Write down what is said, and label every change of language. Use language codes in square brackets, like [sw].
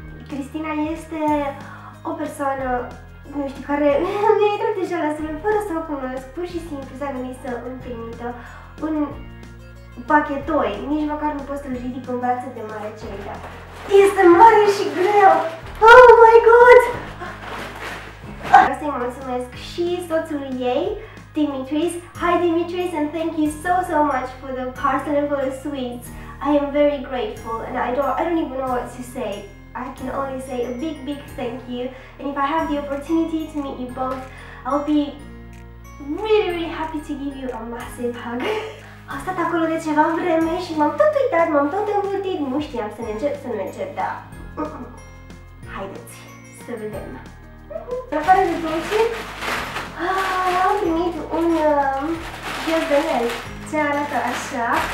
[ro] Cristina este o persoană, nu știu, care mi-a intrat deja la sine fără să o cunosc, pur și simplu s-a gândit să-mi trimită un pachetoi, nici măcar nu pot să-l ridic în brațe de mare celea. Este mare și greu! [en] Oh my god! [ro] Să-i mulțumesc și soțului ei, Dimitris. [en] Hi Dimitris and thank you so much for the parcel and for the sweets. I am very grateful and I don't even know what to say. I can only say a big thank you. And if I have the opportunity to meet you both, I'll be really happy to give you a massive hug. [ro] Am stat acolo de ceva vreme și m-am tot uitat, m-am tot învârtit. Nu știam să ne încep, dar haideți să vedem. Afară de dulci, am primit un ghiozdănel ce arată așa.